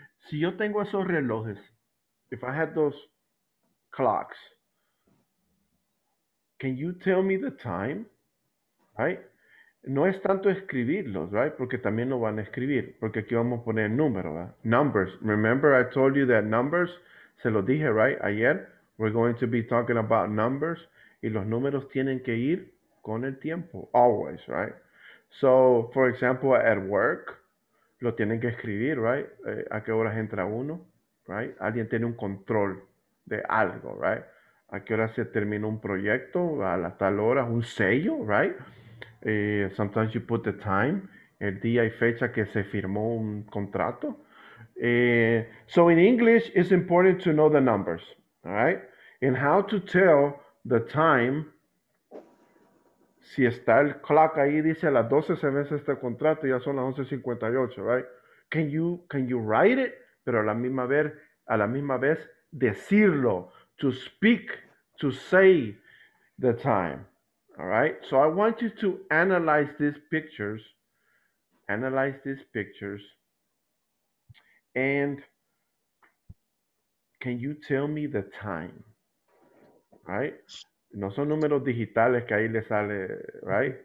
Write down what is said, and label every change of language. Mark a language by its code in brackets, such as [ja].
[es] Si yo tengo esos relojes, [en] if I had those clocks, can you tell me the time, right? [es] No es tanto escribirlos, right? Porque también lo van a escribir, porque aquí vamos a poner número, ¿verdad? [en] Numbers. Remember, I told you that numbers, [es] se lo dije, [en] right? [es] Ayer, [en] we're going to be talking about numbers, [es] y los números tienen que ir con el tiempo, always, right? [en] So, for example, at work, [es] lo tienen que escribir, [en] right? [es] ¿A qué horas entra uno, right? Alguien tiene un control de algo, right? ¿A qué hora se termina un proyecto? ¿A la tal hora? ¿Un sello, right? [en] Sometimes you put the time, [es] el día y fecha que se firmó un contrato. [en] So in English, it's important to know the numbers, right? And how to tell the time. [es] Si está el clock ahí, dice a las 12 se vence este contrato, ya son las 11:58, right? [en] Can you write it? [es] Pero a la misma vez decirlo, [en] to speak, to say the time, all right? So I want you to analyze these pictures, and can you tell me the time, right? [es] No son números digitales que ahí le sale, right?